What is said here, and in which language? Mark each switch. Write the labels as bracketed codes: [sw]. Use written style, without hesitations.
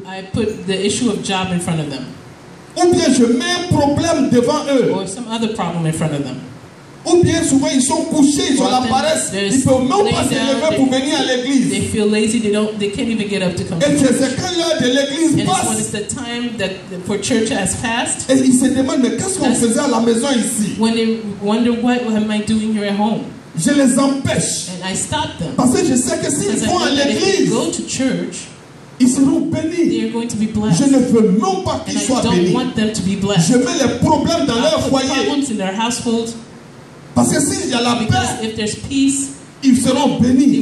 [en] I put the issue of job in front of them. [fr] Ou bien je mets un problème devant eux. [en] Or some other problem in front of them. [fr] Ou bien souvent ils sont couchés, ils ont la paresse, ils ne peuvent même pas se lever pour venir à l'église. [en] They feel lazy, they can't even get up to come. [fr] Et c'est quand l'heure de l'église passe. [en] And it's when it's the time that for church has passed. [fr] Et ils se demandent mais qu'est-ce qu'on faisait à la maison ici? [en] When they wonder what am I doing here at home? [fr] Je les empêche. [en] And I stop them. [fr] Parce que je sais que s'ils vont à l'église, [en] go to church, [fr] ils seront bénis. [en] They are going to be blessed. [fr] Je ne veux non pas qu'ils [en] and [fr] soient [en] I don't [fr] bénis. [en] Want them to be blessed. [fr] Je mets les problèmes dans [en] I'll [fr] leur foyer. [en] Put problems in their household. [fr] Parce que s'il y a la [en] because [fr] paix, [en] if there's peace, [fr] ils seront bénis.